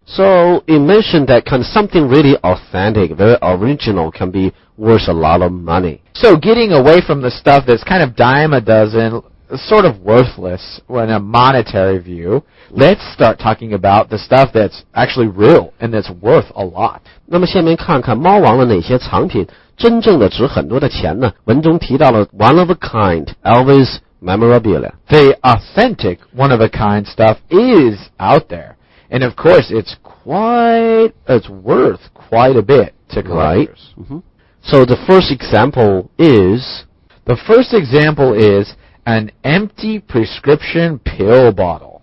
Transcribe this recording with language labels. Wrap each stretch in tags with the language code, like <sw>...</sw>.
<en>So it mentioned that kind of something really authentic, very original, can be worth a lot of money. So getting away from the stuff that's kind of dime a dozen, sort of worthless in a monetary view, let's start talking about the stuff that's actually real and that's worth a lot.</en> <zh>那么下面看看猫王的哪些藏品真正的值很多的钱呢？文中提到了</zh> <en>one of a kind Elvis memorabilia. The authentic one of a kind stuff is out there. And of course, it's worth quite a bit to collectors. Right. Mm-hmm. So the first example is? The first example is an empty prescription pill bottle.</en>